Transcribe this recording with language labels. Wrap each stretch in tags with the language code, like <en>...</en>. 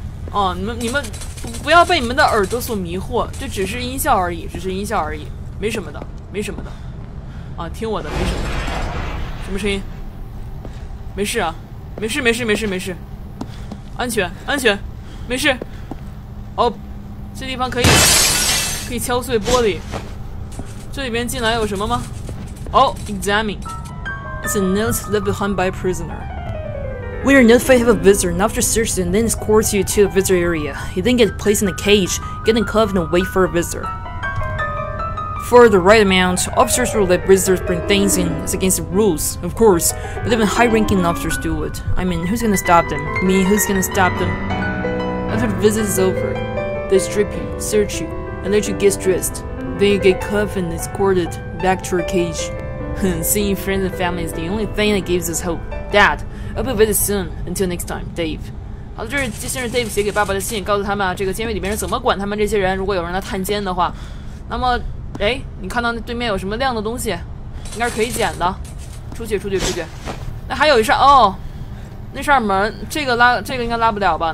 <zh>哦，你们 不要被你们的耳朵所迷惑，这只是音效而已，只是音效而已，没什么的，没什么的啊，听我的，没什么的。什么声音？没事啊，没事没事没事没事，安全安全，没事。哦，这地方可以敲碎玻璃。这里边进来有什么吗？哦、</zh> <en>oh, examine. It's a note left behind by a prisoner. When you're notified of a visitor, an officer searches and then escorts you to the visitor area. You then get placed in a cage, get in cuffs, and wait for a visitor. For the right amount, officers will let visitors bring things in. It's against the rules, of course, but even high-ranking officers do it. I mean, who's gonna stop them? Me, who's gonna stop them? After the visit is over, they strip you, search you, and let you get dressed. Then you get cuffed and escorted back to your cage. Seeing friends and family is the only thing that gives us hope. Dad, I'll be with you soon. Until next time, Dave.</en> <zh>好的，这是先生 Dave 写给爸爸的信，告诉他们啊，这个监狱里面是怎么管他们这些人。如果有人来探监的话，那么，哎，你看到那对面有什么亮的东西？应该是可以捡的。出去，出去，出去。那还有一扇哦，那扇门，这个应该拉不了吧？</zh>